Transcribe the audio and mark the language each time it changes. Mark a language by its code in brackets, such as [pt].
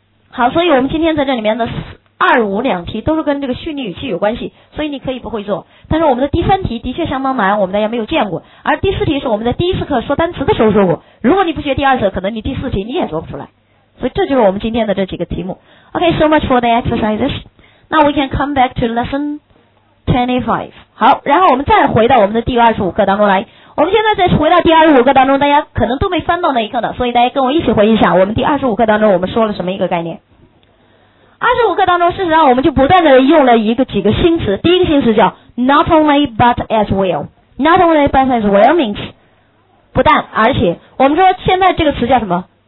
[zh] 好，所以我们今天在这里面的二五两题都是跟这个虚拟语气有关系，所以你可以不会做，但是我们的第三题的确相当难，我们大家没有见过，而第四题是我们在第一次课说单词的时候说过，如果你不学第二次，可能你第四题你也做不出来，所以这就是我们今天的这几个题目。 [en] OK， so much for the exercises， now we can come back to lesson 25。 [zh] 好，然后我们再回到我们的第二十五课当中来，我们现在再回到第二十五课当中，大家可能都没翻到那一课呢，所以大家跟我一起回忆一下，我们第二十五课当中我们说了什么一个概念。二十五课当中事实上我们就不断的用了几个新词，第一个新词叫 not only but as well， [en] not only but as well means [zh] 不但而且，我们说现在这个词叫什么？